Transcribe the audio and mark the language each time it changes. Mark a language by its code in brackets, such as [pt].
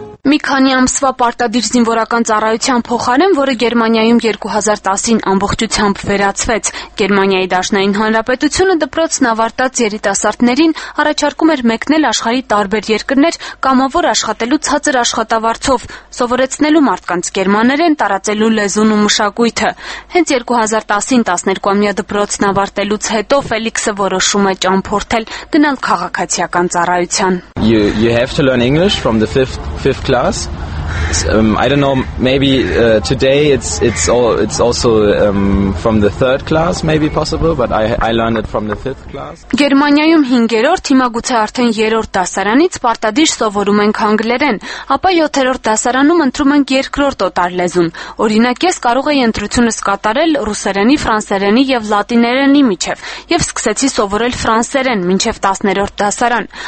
[hy] Մի քանի ամսվա պարտադիր զինվորական ծառայության փոխարեն, որը Գերմանիայում 2010-ին ամբողջությամբ վերացվեց, Գերմանիայի Դաշնային Հանրապետությունը դպրոցն ավարտած երիտասարդներին առաջարկում էր մեկնել աշխարհի տարբեր երկրներ կամավոր աշխատելու ցածր աշխատավարձով, սովորեցնելու մարդկանց գերմաներեն, տարածելու լեզուն ու մշակույթը։ Հենց 2010-12-ամյա դպրոցն ավարտելուց հետո Ֆելիքսը որոշում է ճամփորդել, գնալ քաղաքացիական ծառայության։ [en] You have to learn English from the fifth class. I don't know, maybe today it's also from the third class, maybe possible, but I learned it from the fifth class. [hy] Գերմանիայում 5-րդ, հիմա գուցե արդեն 3-րդ դասարանից պարտադիր սովորում ենք անգլերեն, ապա 7-րդ դասարանում ընտրում ենք 2-րդ օտար լեզուն։ Օրինակ ես կարող եի ընտրությունս կատարել ռուսերենի, ֆրանսերենի եւ լատիներենի միջև, եւ սկսեցի սովորել ֆրանսերեն մինչեւ 10-րդ դասարան,